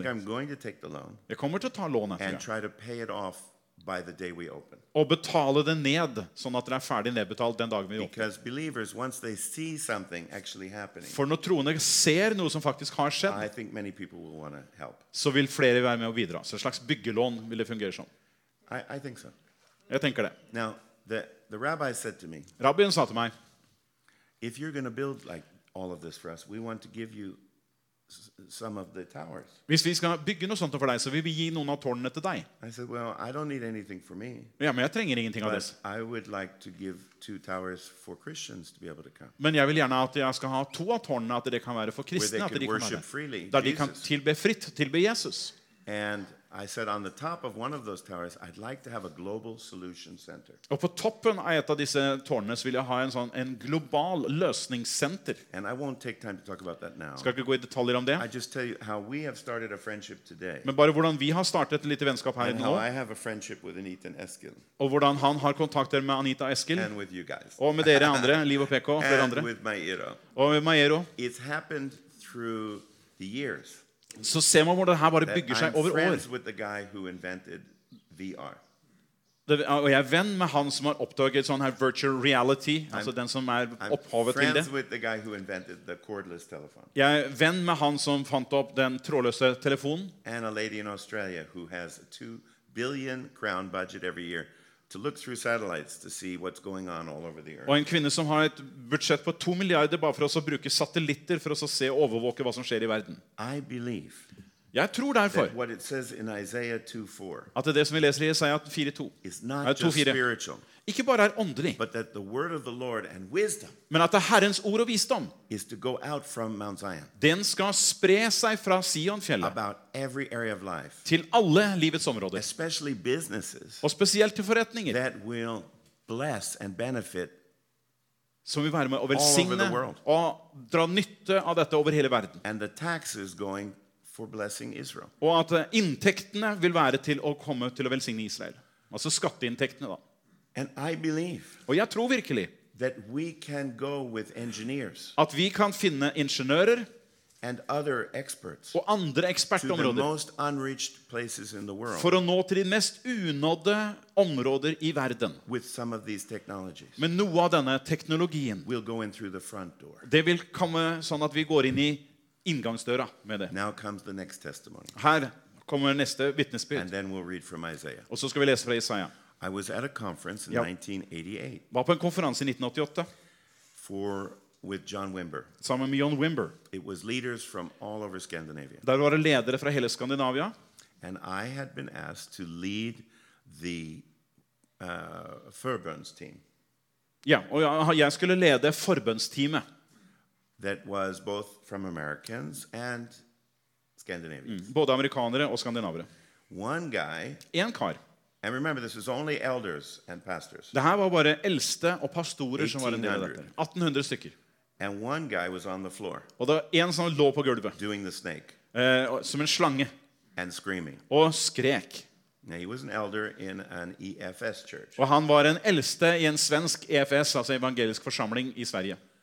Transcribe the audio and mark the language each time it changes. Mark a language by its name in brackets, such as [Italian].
[English] I think I'm going to take the loan. [Swedish] Jag kommer att ta lånet. [English] And try to pay it off by the day we open. [Swedish] Och betala den ned så att den är färdig nedbetald den dagen vi öppnar. [English] Because believers once they see something actually happening. [Swedish] För när troende ser något som faktiskt har skett. [English] I think many people will want to help. [Swedish] Så vill flera vara med och bidra. Så slags byggelån vill det fungera som. [English] I think so. [Swedish] Jag tänker det. [English] Now the rabbi said to me. [Swedish] Rabbin sa till mig. [English] If you're going to build like all of this for us, we want to give you some of the towers. [Norwegian] Hvis vi skal bygge noe sånt for deg, så vil vi gi noen av tårnene til deg. [English] I said, well, I don't need anything for me. [Norwegian] Ja, men jeg trenger ingenting [English] but [Norwegian] av det. [English] I would like to give two towers for Christians to be able to come. [Norwegian] Men jeg vil gjerne at jeg skal ha to av tårnene, at det kan være for kristne, at de kan være. Der de kan tilbe fritt, tilbe Jesus. [English] And I said, on the top of one of those towers, I'd like to have a global solution center. [Norwegian] Og på toppen av et av disse tårnene vil jeg ha en sånn en global løsningssenter. [English] And I won't take time to talk about that now. [Norwegian] Skal ikke gå I detaljer om det. [English] I just tell you how we have started a friendship today. [Norwegian] Men bare hvordan vi har startet litt vennskap her [English] and [Norwegian] I nå. [English] How I have a friendship with Anita and Eskil. [Norwegian] Og hvordan han har kontakter med Anita Eskil. [English] And with you guys. [Norwegian] Og med dere andre, Liv og PK, flere andre. [English] And with Maiero. [Norwegian] Og med Maiero. [English] It's happened through the years. [Norwegian] Så ser man hvordan det her bare bygger seg over år. [English] The guy who invented VR. [Norwegian] Og jeg venn med han som har oppdaget sånn her virtual reality, altså den som opphavet til det. [English] I'm friends with the guy who invented the cordless telephone. [Norwegian] Jeg venn med han som fant opp den trådløse telefonen. [English] And a lady in Australia who has a 2 billion crown budget every year to look through satellites to see what's going on all over the earth. [Norwegian] Og en kvinne som har et budsjett på 2 milliarder bare for å bruke satellitter for å se overvåke hva som skjer I verden. [English] I believe. [Norwegian] Jeg tror derfor. [English] What it says in Isaiah 2:4. [Norwegian] At det som vi leser I Isaiah 4:2. [English] Is not just spiritual. [Norwegian] Ikke bare åndelig. [English] But that the word of the Lord and wisdom. [Norwegian] Men at Herrens ord og visdom. [English] Is to go out from Mount Zion. [Norwegian] Den skal spre seg fra Sionfjellet. [English] About every area of life. [Norwegian] Til alle livets områder. [English] Especially businesses. [Norwegian] Og spesielt til forretninger. [English] That will bless and benefit. [Norwegian] Som vi være med og velsigne og dra nytte av dette over hele verden. [English] And the taxes going for blessing Israel. [Norwegian] Og at inntektene vil være til å komme til å velsigne Israel. Altså skatteinntektene da. [English] And I believe. [Norwegian] Og jeg tror virkelig [English] that we can go with engineers. [Norwegian] At vi kan finne ingeniører [English] and other experts. [Norwegian] Og andre ekspertområder. [English] To the most unreached places in the world. [Norwegian] For å nå til de mest unådde områder I verden. [English] With some of these technologies. [Norwegian] Med noe av denne teknologien. [English] We'll go in through the front door. [Norwegian] Det vil komme sånn at vi går inn I inngangsdøra med det. [English] Now comes the next testimony. [Norwegian] Her kommer neste vitnesbyrd. [English] And then we'll read from Isaiah. [Norwegian] Og så skal vi lese fra Isaiah. [English] I was at a conference in 1988. [Norwegian] Var på en konferanse I 1988. [English] For with John Wimber. [Norwegian] Sammen med John Wimber. [English] It was leaders from all over Scandinavia. [Norwegian] Der var det ledere fra hele Skandinavia. [English] And I had been asked to lead the forbønns team. [Norwegian] Ja, og jeg skulle lede forbønns teamet. [English] That was both from Americans and Scandinavians. Mm, [Norwegian] både amerikanere og skandinavere. [English] One guy. [Norwegian] En kar. [English] And remember, this is only elders and pastors. [Swedish] Det här var bara äldste och pastorer som var en del av detta. 1800 stycken. [English] And one guy was on the floor. [Swedish] Och då en som låg på golvet. [English] Doing the snake. [Norwegian] Som en slange. [English] And screaming. [Swedish] Och skrek. [English] Now he was an elder in an EFS church. [Swedish] Och han var en äldste I en svensk EFS, alltså evangelisk församling I Sverige.